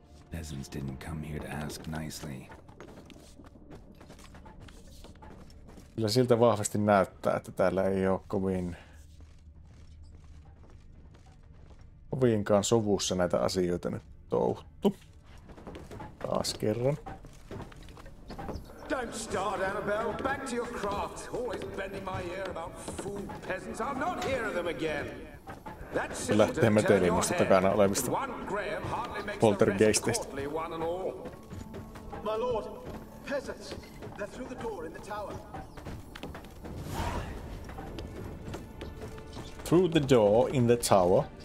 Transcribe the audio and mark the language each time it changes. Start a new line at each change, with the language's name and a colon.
English: Peasants didn't come here to ask nicely.
Finnish: Kyllä siltä vahvasti näyttää, että täällä ei ole kovin... kovinkaan sovussa näitä asioita nyt touhtu. Taas kerran.
English: Don't start, Annabelle! Back to your craft! Always bending my ear about fool peasants. I'll not hear of them again!
Finnish: Lähtee metelimasta takana olevista poltergeisteistä.
English: My lord! Peasants! They're through the door in the tower! Through the door in the tower.